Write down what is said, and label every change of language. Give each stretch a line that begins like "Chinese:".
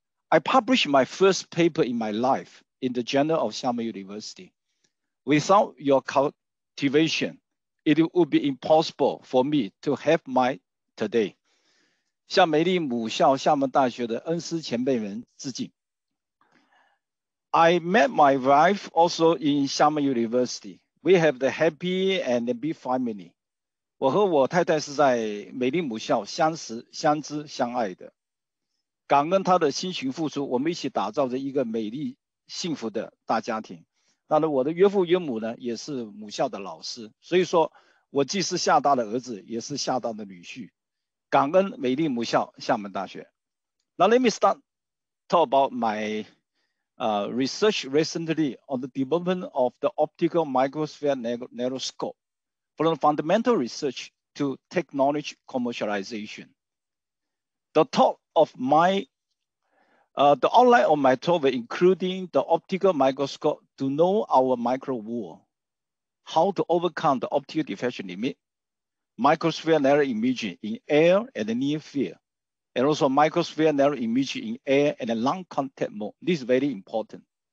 English: I published my first paper in my life in the Journal of Xiamen University. Without your cultivation it would be impossible for me to have my today.
Chinese: 向美丽母校厦门大学的恩师前辈们致敬。
English: I met my wife also in Xiamen University. We have the happy and the big family.
Chinese: 我和我太太是在美丽母校相识、相知、相爱的。感恩她的辛勤付出，我们一起打造着一个美丽、幸福的大家庭。那我的岳父岳母呢，也是母校的老师，所以说我既是厦大的儿子，也是厦大的女婿。感恩美丽母校厦门大学。
English: Now let me start talk about my research recently on the development of the optical microsphere nanoscope from fundamental research to technology commercialization. The talk of my, the outline of my talk, including the optical microscope to know our micro world, how to overcome the optical diffraction limit,Microsphere narrow imaging in air and near field, and also microsphere narrow imaging in air and long contact mode. This is very important.